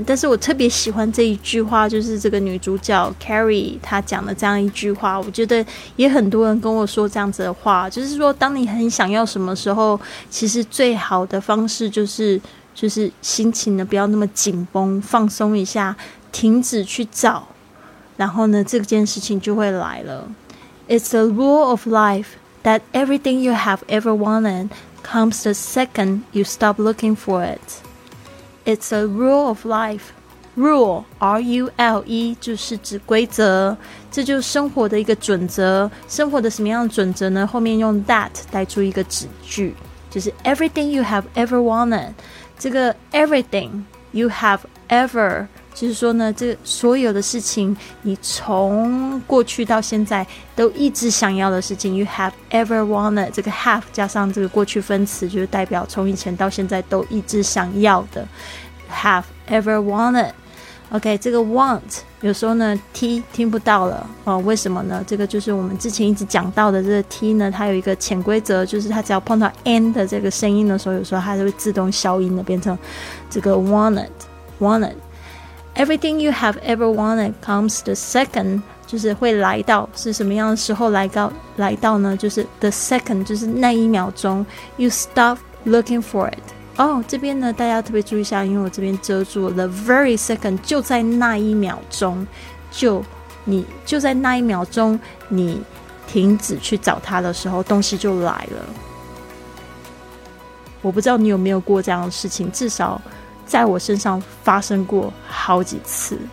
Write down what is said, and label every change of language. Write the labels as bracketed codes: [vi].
[zh] 但是我特别喜欢这一句话，就是这个女主角 Carrie 她讲的这样一句话，我觉得也很多人跟我说这样子的话，就是说当你很你想要什么时候，其实最好的方式就是心情呢不要那么紧绷，放松一下，停止去找，然后呢这件事情就会来了。 [en] It's the rule of life that everything you have ever wanted comes the second you stop looking for it. It's the rule of life. [zh] Rule, R-U-L-E 就是指规则，这就是生活的一个准则。生活的什么样的准则呢？后面用 that 带出一个子句，就是 [en] everything you have ever wanted。 [zh] 这个 [en] everything you have ever [zh] 就是说呢，这所有的事情你从过去到现在都一直想要的事情， [en] you have ever wanted， [zh] 这个 have 加上这个过去分词，就是代表从以前到现在都一直想要的， [en] have ever wanted。 [zh] OK， 这个 want有时候呢 T 听不到了哦，为什么呢？这个就是我们之前一直讲到的，这个 T 呢它有一个潜规则，就是它只要碰到 N 的这个声音的时候，有时候它就会自动消音的，变成这个 wanted。 [en] Everything you have ever wanted comes the second， [zh] 就是会来到，是什么样的时候来到呢？就是 [en] the second， [zh] 就是那一秒钟 [en] you stop looking for it。 [zh] 哦，这边呢大家特别注意一下，因为我这边遮住了 [en] the very second， [zh] 就在那一秒钟，就在那一秒钟你停止去找它的时候，东西就来了。我不知道你有没有过这样的事情，至少在我身上发生过好几次。